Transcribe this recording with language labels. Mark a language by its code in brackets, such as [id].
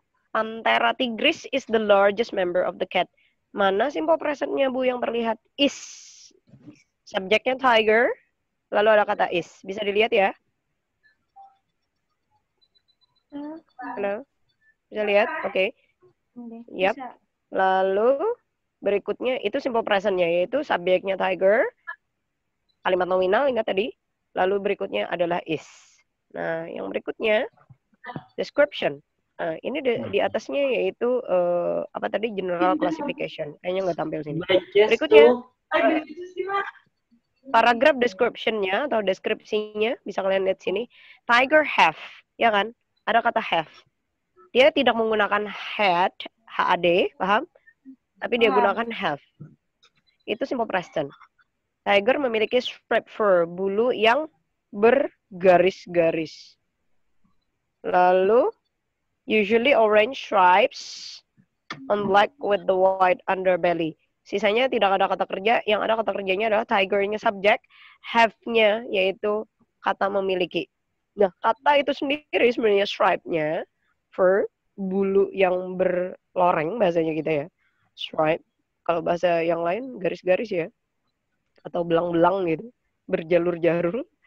[en] Panthera tigris is the largest member of the cat. [id] Mana simple presentnya, Bu, yang terlihat? Is. Subjeknya tiger. Lalu ada kata is. Bisa dilihat ya? Halo? Bisa lihat? Oke. Okay. Yap. Lalu berikutnya, itu simple presentnya, yaitu subjeknya tiger. kalimat nominal ingat tadi, lalu berikutnya adalah is. Nah, yang berikutnya description. Nah, ini di atasnya yaitu apa tadi general classification. Kayaknya nggak tampil sini. Berikutnya paragraf description-nya atau deskripsinya bisa kalian lihat sini. Tiger have, ya kan? Ada kata have. Dia tidak menggunakan had, H-A-D, paham? Tapi dia gunakan have. Itu simple present. Tiger memiliki [en] striped fur, [id] bulu yang bergaris-garis. [en] Lalu, usually orange stripes on black with the white underbelly. [id] Sisanya tidak ada kata kerja, yang ada kata kerjanya adalah tiger-nya subject, have-nya yaitu kata memiliki. Nah, kata itu sendiri sebenarnya stripe-nya, fur, bulu yang berloreng bahasanya kita ya. Stripe, kalau bahasa yang lain garis-garis ya. Atau belang-belang gitu, berjalur-jalur.